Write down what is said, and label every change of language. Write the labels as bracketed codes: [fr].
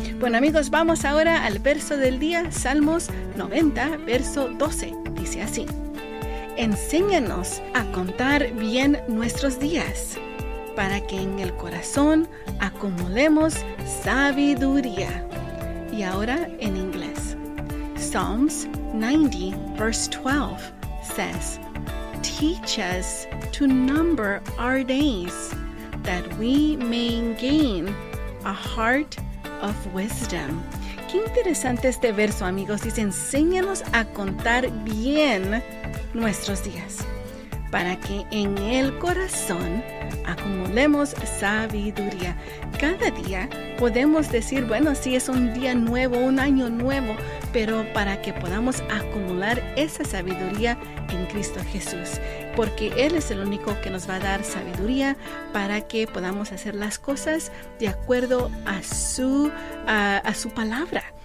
[es] Bueno, amigos, vamos ahora al verso del día, Salmos 90, verso 12. Dice así: enséñanos a contar bien nuestros días, para que en el corazón acumulemos sabiduría. Y ahora en inglés. [en] Psalms 90, verse 12 says, teach us to number our days, that we may gain a heart of wisdom. [es] Qué interesante este verso, amigos. Dice, enséñanos a contar bien nuestros días, para que en el corazón acumulemos sabiduría. Cada día podemos decir, bueno, sí, es un día nuevo, un año nuevo, pero para que podamos acumular esa sabiduría en Cristo Jesús, porque Él es el único que nos va a dar sabiduría para que podamos hacer las cosas de acuerdo a su palabra.